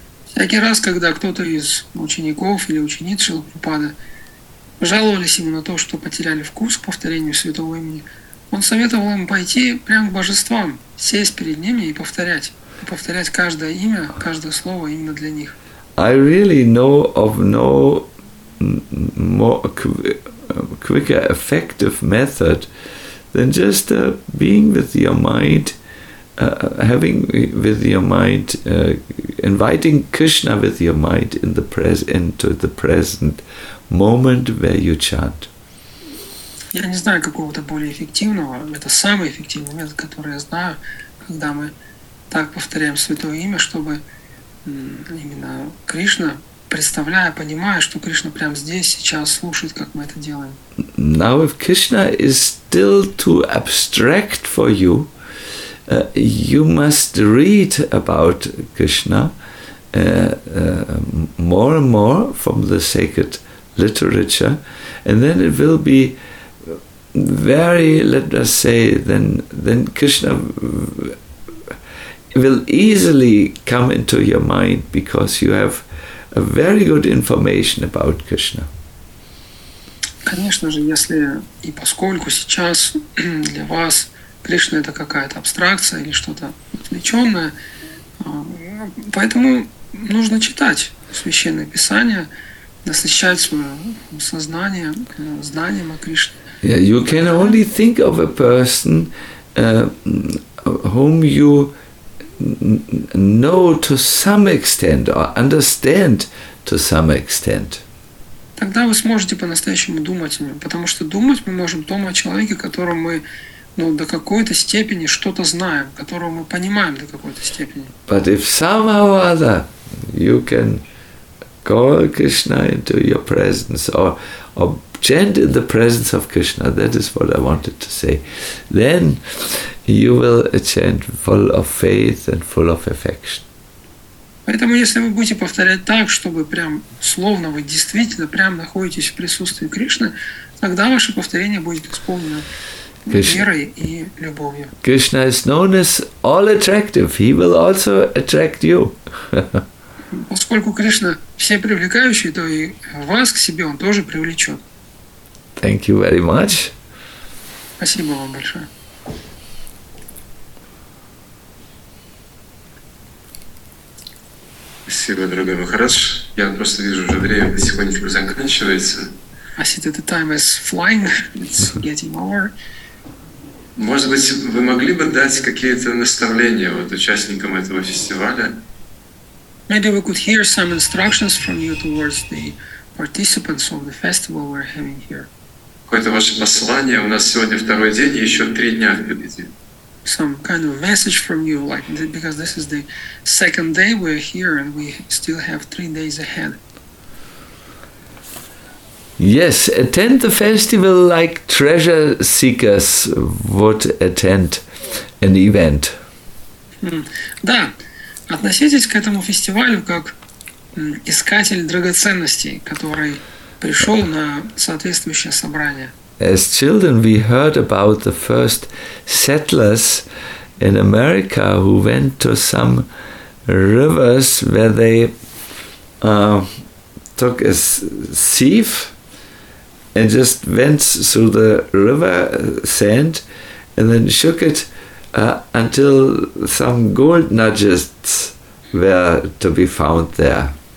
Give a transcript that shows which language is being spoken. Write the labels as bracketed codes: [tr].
[ru] Всякий раз, когда кто-то из учеников или учениц Шрилы Прабхупады жаловались ему на то, что потеряли вкус к повторению святого имени, он советовал им пойти прямо к божествам, сесть перед ними и повторять каждое имя, каждое слово именно для них. [en] I really know of no more quicker effective method than just being with your mind, having with your mind, inviting Krishna with your mind in the into the present moment where you chant. [ru] Я не знаю какого-то более эффективного. Это самый эффективный метод, который я знаю, когда мы так повторяем святое имя, чтобы именно Кришна, представляя, понимая, что Кришна прямо здесь сейчас слушает, как мы это делаем. [en] Now if Krishna is still too abstract for you, you must read about Krishna more and more from the sacred literature, and then it will be very, let us say, then Krishna will easily come into your mind because you have a very good information about Krishna. [ru] Конечно же, если и поскольку сейчас для вас Кришна это какая-то абстракция или что-то отвлеченное, поэтому нужно читать священное писание, насыщать свое сознание знанием о Кришне. [en] Yeah, you can only think of a person whom you know to some extent or understand to some extent. [ru] Тогда вы сможете по-настоящему думать о нем, потому что думать мы можем только о человеке, которого мы до какой-то степени что-то знаем, которого мы понимаем до какой-то степени. [en] But if somehow other you can call Krishna into your presence or chant in the presence of Krishna, that is what I wanted to say, then you will chant full of faith and full of affection. [ru] Поэтому если вы будете повторять так, чтобы прям словно вы действительно прям находитесь в присутствии Кришны, тогда ваше повторение будет исполнено верой и любовью. [en] Krishna is known as all attractive. He will also attract you. [ru] Поскольку Кришна все привлекающие, то и вас к себе он тоже привлечет. [en] Thank you very much. [ru] Спасибо вам большое. Спасибо, дорогой Махарадж. Я просто вижу, уже время потихонечку заканчивается. [en] I see that the time is flying. It's getting over. [ru] Может быть, вы могли бы дать какие-то наставления вот участникам этого фестиваля? [en] Maybe we could hear some instructions from you towards the participants of the festival we're having here. [ru] Какое-то ваше послание? У нас сегодня второй день, и еще три дня впереди. [en] Some kind of message from you, like because this is the second day we're here and we still have 3 days ahead. Yes, attend the festival like treasure seekers would attend an event. [ru] Да, относитесь к этому фестивалю как искатель драгоценностей, который пришел на соответствующее собрание. [en] As children, we heard about the first settlers in America who went to some rivers where they took a sieve and just went through the river sand and then shook it until some gold nuggets were to be found there.